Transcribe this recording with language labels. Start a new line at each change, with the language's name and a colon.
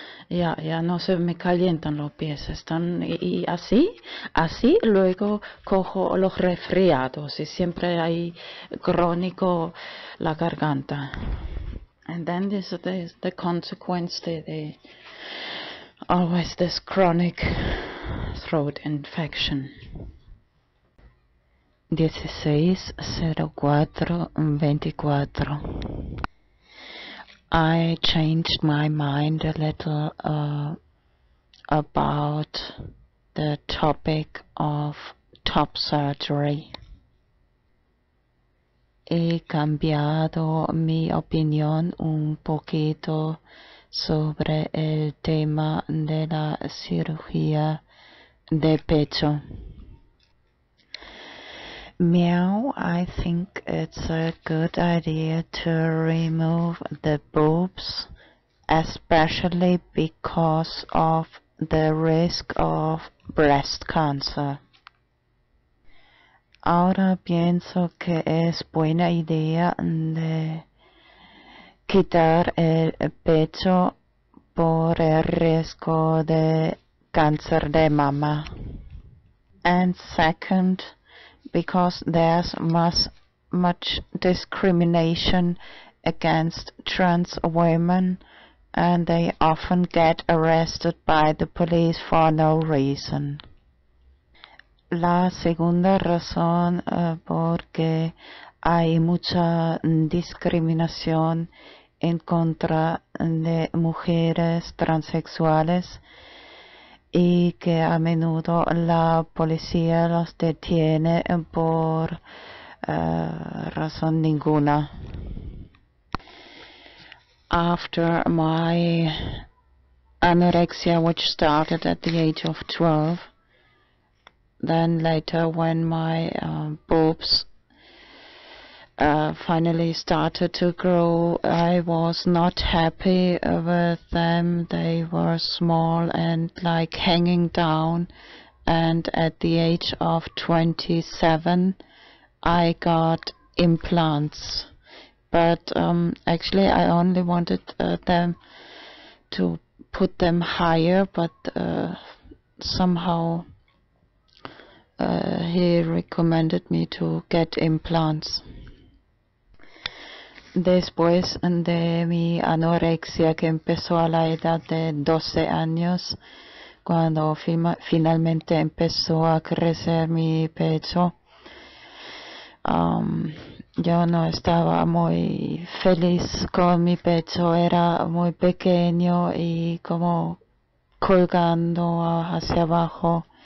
Spanish: Ya no se me calientan los pies, están y así luego cojo los resfriados, y siempre hay crónico la garganta.
English: And then this is the consequence, the always this chronic throat infection. 16-04-24. I changed my mind a little about the topic of top surgery.
Spanish: He cambiado mi opinión un poquito sobre el tema de la cirugía de pecho.
English: Meow, I think it's a good idea to remove the boobs, especially because of the risk of breast cancer.
Spanish: Ahora pienso que es buena idea de quitar el pecho por el riesgo de cáncer de mama.
English: And second, because there's much discrimination against trans women, and they often get arrested by the police for no reason.
Spanish: La segunda razón porque hay mucha discriminación en contra de mujeres transexuales y que a menudo la policía las detiene por razón ninguna.
English: After my anorexia, which started at the age of 12, then later when my boobs finally started to grow, I was not happy with them. They were small and like hanging down. And at the age of 27, I got implants. But actually, I only wanted to put them higher, but somehow he recommended me to get implants.
Spanish: Después de mi anorexia, que empezó a la edad de 12 años, cuando finalmente empezó a crecer mi pecho, yo no estaba muy feliz con mi pecho, era muy pequeño y como colgando hacia abajo.